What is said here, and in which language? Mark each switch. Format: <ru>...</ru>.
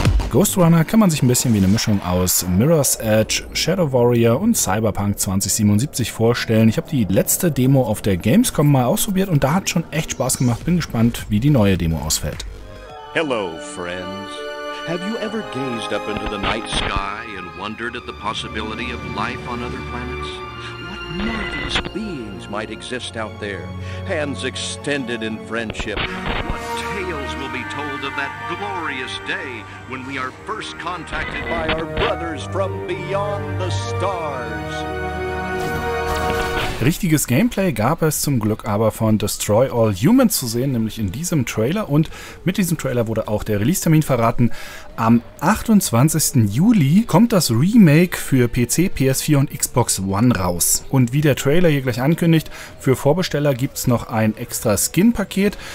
<de>Ghost Runner kann man sich ein bisschen wie eine Mischung aus Mirror's Edge, Shadow Warrior und Cyberpunk 2077 vorstellen. Ich habe die letzte Demo auf der Gamescom mal ausprobiert und da hat schon echt Spaß gemacht. Bin gespannt, wie die neue Demo ausfällt.</de> <en>Hello, friends. Have you ever gazed up into the night sky and wondered at the possibility of life on other planets? What marvelous beings might exist out there? Hands extended in friendship. Tales will be told of that glorious day when we are first contacted by our brothers from beyond the stars.</en> <de>Richtiges Gameplay gab es zum Glück aber von Destroy All Humans zu sehen, nämlich in diesem Trailer. Und mit diesem Trailer wurde auch der Release-Termin verraten. Am 28. Juli kommt das Remake für PC, PS4 und Xbox One raus. Und wie der Trailer hier gleich ankündigt, für Vorbesteller gibt es noch ein extra Skin-Paket.</de>